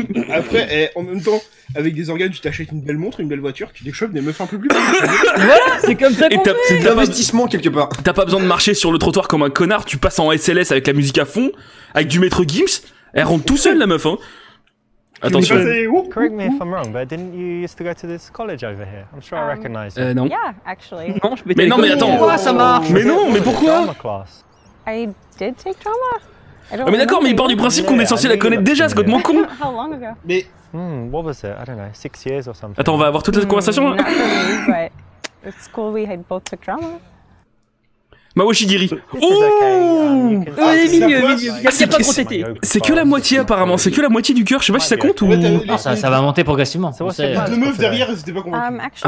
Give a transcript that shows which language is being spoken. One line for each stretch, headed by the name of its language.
French: Après, en même temps. Avec des organes, tu t'achètes une belle montre, une belle voiture, tu déchoppes des meufs un peu plus. Voilà, c'est comme ça qu'on fait. C'est de l'investissement quelque part. T'as pas besoin de marcher sur le trottoir comme un connard, tu passes en SLS avec la musique à fond, avec du maître Gims, elle rentre tout seule la meuf, hein. Attention.
English: Correct me if I'm wrong, but didn't you used to go to this college over here? I'm sure I recognize it.
French: Non.
English: Yeah, actually.
French: Non, je mais non, mais attends. Pourquoi ça marche? Mais non, mais pourquoi?
English: I did take drama.
French: Ah mais d'accord, mais il part du principe qu'on est censé la connaître déjà, c'est complètement con. Mais...
English: what was it? I don't know, 6 years or something.
French: Attends, on va avoir toute cette conversation là.
English: It's cool, we had both took drama.
Japanese: Mawashigiri.
French: Ouh! Oh, les milieux, les milieux. C'est que la moitié apparemment, c'est que la moitié du cœur, je sais pas si ça compte ou... Non, ça va monter progressivement. Deux meufs derrière, elles étaient pas convaincues.